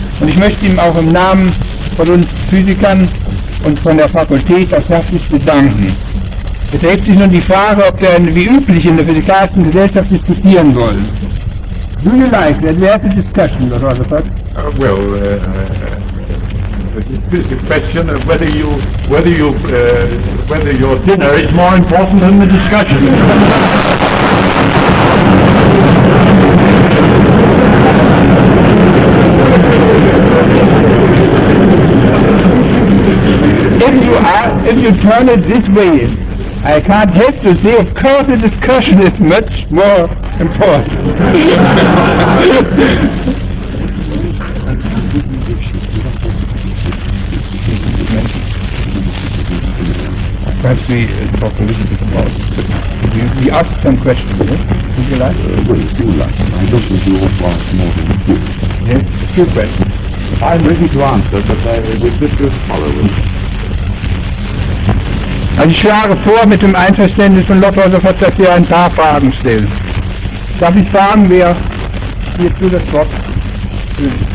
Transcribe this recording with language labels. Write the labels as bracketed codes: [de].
[de] Und ich möchte ihm auch im Namen von uns Physikern und von der Fakultät auch herzlich bedanken. Es erhebt sich nun die Frage, ob wir wie üblich in der physikalischen Gesellschaft diskutieren wollen. [en] Do you like that? We have a discussion, Dr. Rutherford. It's a question of whether your dinner is more important than the discussion. If you turn it this way, I can't help to say, of course, the discussion is much more important. Perhaps we talk a little bit about it. We ask some questions, yes? Would you like? Well, if you like, I don't think you ought to ask more than a few. Yes, a few questions. I'm ready to answer, but I will just follow them. [de] Also ich schlage vor, mit dem Einverständnis von Dr. Rutherford, dass wir ein paar Fragen stellen. Darf ich fragen, wer hier zu das Wort will?